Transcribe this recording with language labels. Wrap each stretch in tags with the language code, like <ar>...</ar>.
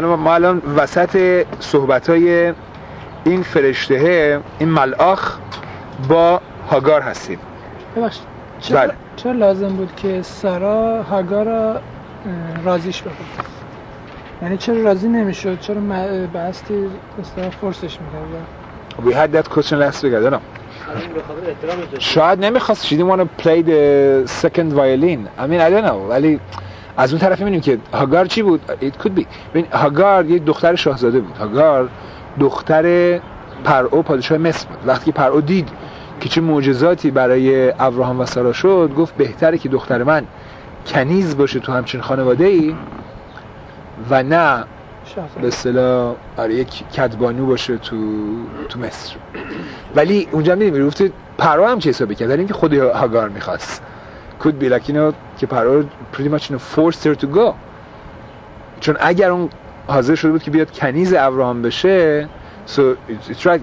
<fa>ما الان وسط صحبتای این فرشته، این ملاخ با هاگار هستیم. ببخشید چرا لازم بود که سارا هاگار را راضیش بکنه؟ یعنی چرا راضی نمیشد؟ چرا بستی استرا فورسش میکرد؟</fa> <en>We had that question last week. I don't know.</en> <fa>شاید نمیخواست.</fa> <en>She didn't want to play the second violin. I mean, I don't know.</en> <fa>ولی از اون طرف میبینیم که هاگار چی بود؟</fa> <en>It could be.</en> <fa>ببین هاگار یه دختر شاهزاده بود. هاگار دختر پرعو پادشاه مصر بود. وقتی پرعو دید که چه معجزاتی برای ابراهام و سارا شد، گفت بهتره که دختر من کنیز باشه تو همچین خانواده ای و نه به اصطلاح آره یک کدبانو باشه تو مصر. ولی اونجا هم دیدیم گفت پرو هم چه حسابی کرد، اینکه خود هاگار میخواست.</fa> <en>could be like you know</en> <fa>که پرو</fa> <en>pretty much</en> <fa>اینو</fa> <en>forced her to go.</en> <fa>چون اگر اون حاضر شده بود که بیاد کنیز ابراهام بشه،</fa> <en>so it's right.</en>